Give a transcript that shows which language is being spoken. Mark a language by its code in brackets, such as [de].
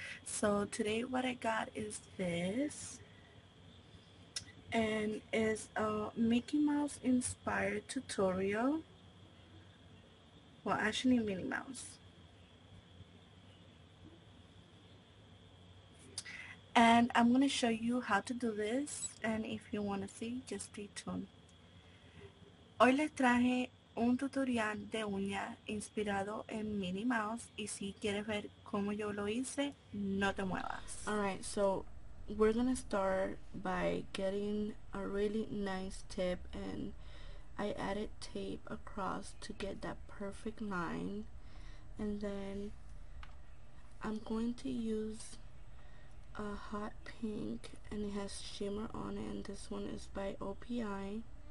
[en] So today what I got is this. And it's a Mickey Mouse inspired tutorial. Well, actually Minnie Mouse. And I'm going to show you how to do this, and if you want to see, just stay tuned. [es] Hoy les traje un tutorial de uña inspirado en Minnie Mouse, y si quieres ver cómo yo lo hice, no te muevas. [en] Alright, so we're going to start by getting a really nice tip, and I added tape across to get that perfect line, and then I'm going to use a hot pink, and it has shimmer on it, and this one is by OPI.